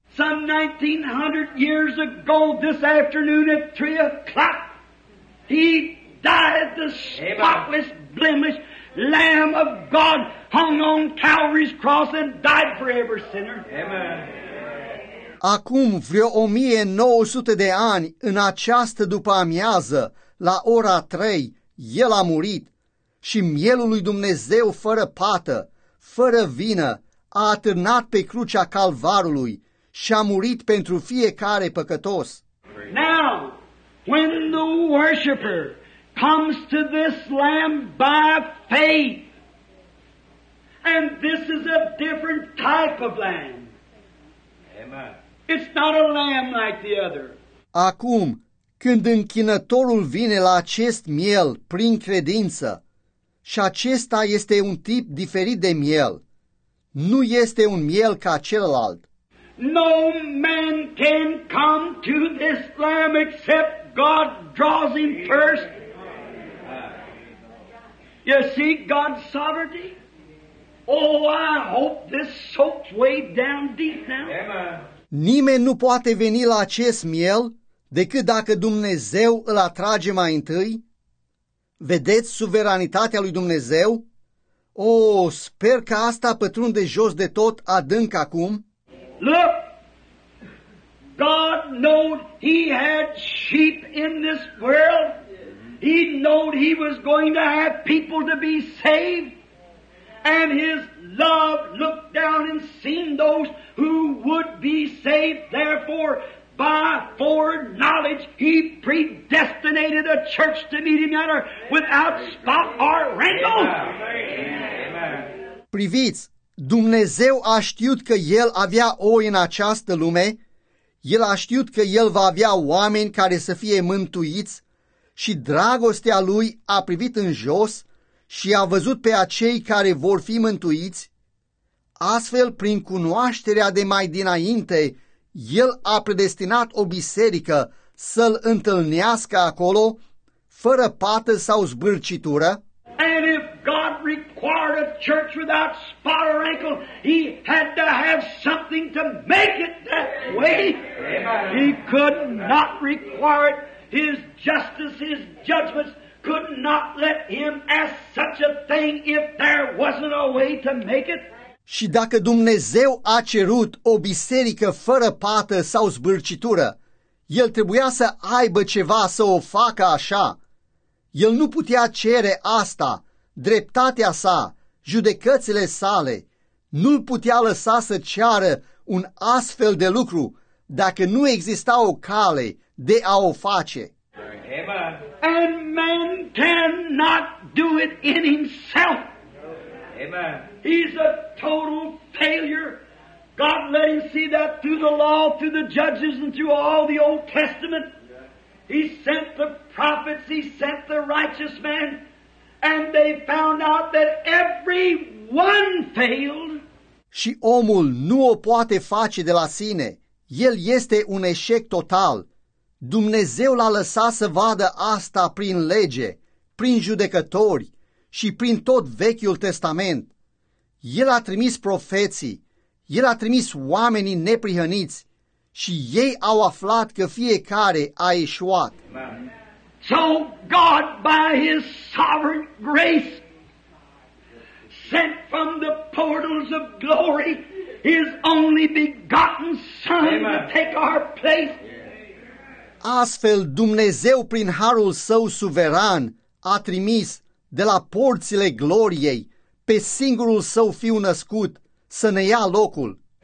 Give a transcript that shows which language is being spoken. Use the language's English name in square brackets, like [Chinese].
[English] Some 1900 years ago this afternoon at 3 o'clock, he died the spotless, blemish Lamb of God hung on Calvary's cross and died for every sinner. Amen. [Romanian] Acum vreo 1900 de ani, în această după-amiază, la ora 3, el a murit și mielul lui Dumnezeu fără pată, fără vină, a atârnat pe crucea Calvarului și a murit pentru fiecare păcătos. [English] Now, when the worshiper comes to this lamb by faith, and this is a different type of lamb. Amen. It's not a lamb like the other. [Romanian] Acum, când închinătorul vine la acest miel prin credință, și acesta este un tip diferit de miel, nu este un miel ca celălalt. [English] No man can come to this lamb except God draws him first. You see God's sovereignty? Oh, I hope this soaks way down deep now. Amen. [Romanian] Nimeni nu poate veni la acest miel decât dacă Dumnezeu îl atrage mai întâi? Vedeți suveranitatea lui Dumnezeu? O, sper că asta pătrunde jos de tot adânc acum. [English] Look! God knowed he had sheep in this world. He knowed he was going to have people to be saved. And his love looked down and seen those who would be saved. Therefore, by foreknowledge, he predestinated a church to meet him yonder without spot or wrinkle. [Romanian] Priviți, Dumnezeu a știut că el avea oi în această lume. El a știut că el va avea oameni care să fie mântuiți și dragostea lui a privit în jos și a văzut pe acei care vor fi mântuiți. Astfel, prin cunoașterea de mai dinainte, el a predestinat o biserică să-l întâlnească acolo, fără pată sau zbârcitură. [English] And if God required a church without spot or wrinkle, he had to have something to make it that way. Amen. He could not require it. His justice, his judgments could not let him ask such a thing if there wasn't a way to make it. [Romanian] Și dacă Dumnezeu a cerut o biserică fără pată sau zbârcitură, el trebuia să aibă ceva să o facă așa. El nu putea cere asta, dreptatea sa, judecățile sale. Nu-l putea lăsa să ceară un astfel de lucru dacă nu exista o cale de a o face. [English] And man cannot do it in himself. Amen. He's a total failure. God let him see that through the law, through the judges, and through all the Old Testament. He sent the prophets, he sent the righteous men, and they found out that every one failed. [Romanian] Și omul nu o poate face de la sine. El este un eșec total. Dumnezeu l-a lăsat să vadă asta prin lege, prin judecători și prin tot Vechiul Testament. El a trimis profeții, el a trimis oamenii neprihăniți. Și ei au aflat că fiecare a eșuat. [English] So God, by his sovereign grace, sent from the portals of glory his only begotten Son. Amen. To take our place. [Romanian] Astfel, Dumnezeu, prin harul său suveran, a trimis de la porțile gloriei pe singurul său fiu născut să ne ia locul.